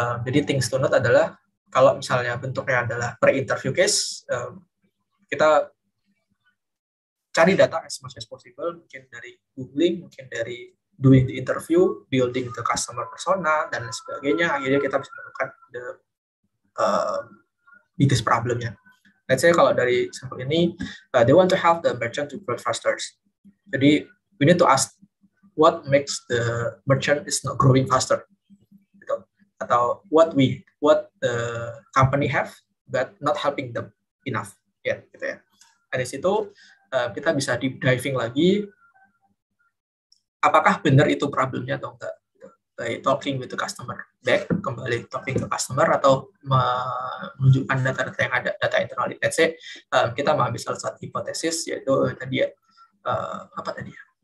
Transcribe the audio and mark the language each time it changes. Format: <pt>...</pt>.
<id>Jadi</id> <en>things to note</en> <id>adalah kalau misalnya bentuknya adalah pre-interview case, kita cari data</id> <en>as much as possible,</en> <id>mungkin dari googling, mungkin dari</id> <en>doing the interview, building the customer persona,</en> <id>dan lain sebagainya, akhirnya kita bisa menemukan</id> <en>the biggest problem-</en> <id>nya.</id> <en>Let's say</en> <id>kalau dari sampel ini,</id> <en>they want to help the merchant to grow faster.</en> <id>Jadi,</id> <en>we need to ask what makes the merchant is not growing faster.</en> <id>Gitu.</id> <en>Atau what the company have, but not helping them enough. Yeah, gitu ya.</en> <id>Dari situ, kita bisa deep diving lagi, apakah benar itu problemnya atau enggak?</id> <en>By talking with the customer back,</en> <id>kembali talking ke customer, atau menunjukkan data-data yang ada, data internal.</id> <en>Let's say,</en> <id>kita mengambil salah satu hipotesis, yaitu tadi ya, apa tadi ya?</id>